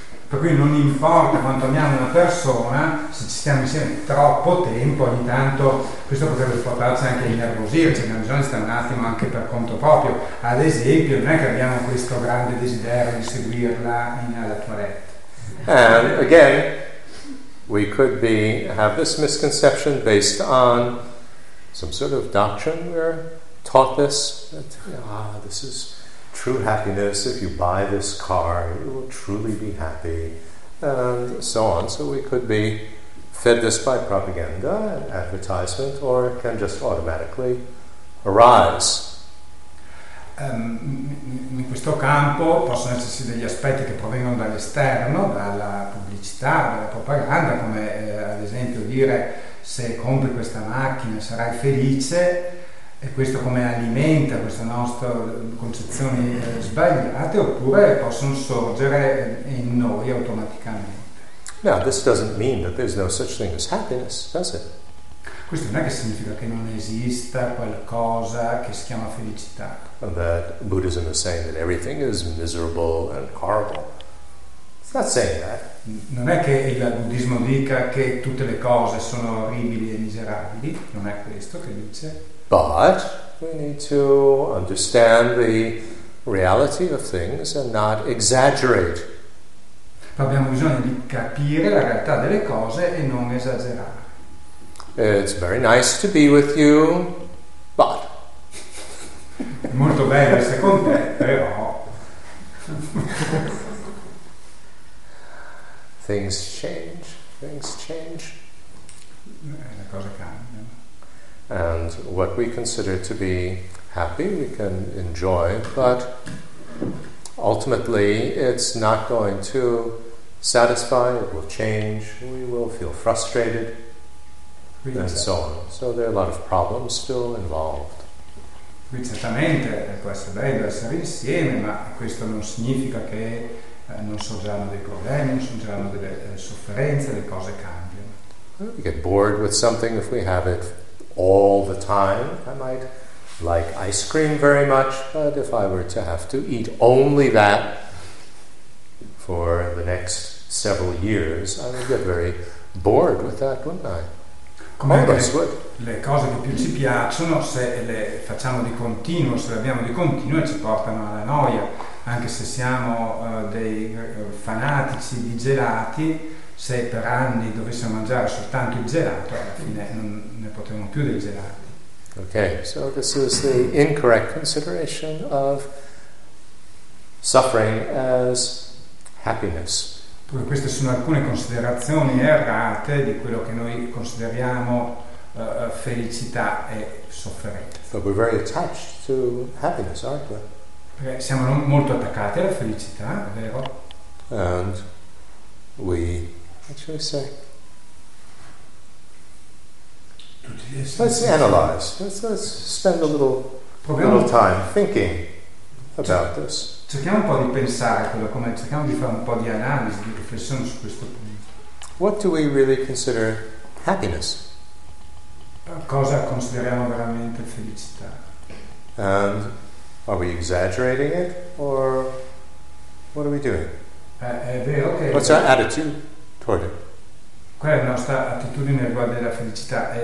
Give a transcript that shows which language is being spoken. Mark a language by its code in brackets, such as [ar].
[it] Per cui non importa quanto amiamo una persona, se ci stiamo insieme troppo tempo, ogni tanto questo potrebbe portarci anche a innervosirci, abbiamo bisogno di stare un attimo anche per conto proprio. Ad esempio, non è che abbiamo questo grande desiderio di seguirla alla toilette. [en] And again, we could be have this misconception based on some sort of doctrine we're taught this, that this is true happiness. If you buy this car, you will truly be happy, and so on. So we could be fed this by propaganda, advertisement, or it can just automatically arise. [it] In questo campo possono esserci degli aspetti che provengono dall'esterno, dalla pubblicità, dalla propaganda, come ad esempio dire se compri questa macchina sarai felice, e questo come alimenta queste nostre concezioni sbagliate, oppure possono sorgere in noi automaticamente. [en] Now, this doesn't mean that there's no such thing as happiness, does it? [it] Questo non è che significa che non esista qualcosa che si chiama felicità. [en] That Buddhism is saying that everything is miserable and horrible. It's not saying that. [it] Non è che il buddismo dica che tutte le cose sono orribili e miserabili, non è questo che dice. [en] But we need to understand the reality of things and not exaggerate. [it] Ma abbiamo bisogno di capire la realtà delle cose e non esagerare. [en] It's very nice to be with you, but... [it] È molto bello essere con te, però... [en] Things change. [it] Le cose cambiano. [en] And what we consider to be happy, we can enjoy, but ultimately it's not going to satisfy, it will change, we will feel frustrated, and so on. So there are a lot of problems still involved. [it] Qui certamente può essere bello essere insieme, ma questo non significa che non sorgeranno dei problemi, non sorgeranno delle sofferenze, le cose cambiano. [en] We get bored with something if we have it all the time. I might like ice cream very much, but if I were to have to eat only that for the next several years, I would get very bored with that, wouldn't I? [it] Le cose che più ci piacciono, se le facciamo di continuo, se le abbiamo di continuo, ci portano alla noia. Anche se siamo dei fanatici di gelati, se per anni dovessimo mangiare soltanto il gelato, alla fine non ne potremmo più dei gelati. [en] Okay, so this is the incorrect consideration of suffering as happiness. [it] Pure queste sono alcune considerazioni errate di quello che noi consideriamo felicità e sofferenza. [en] But we're very attached to happiness, aren't we? [it] Siamo molto attaccati alla felicità, è vero? [en] And we actually say. Let's analyze. Let's spend a little time thinking about this. [it] Cerchiamo un po' di pensare quello come cerchiamo di fare un po' di analisi, di riflessione su questo punto. [en] What do we really consider happiness? [it] Cosa consideriamo veramente felicità? [en] And are we exaggerating it or what are we doing? [it] È vero che [en] what's our attitude toward it? [it] Qual è la nostra attitudine riguardo alla felicità?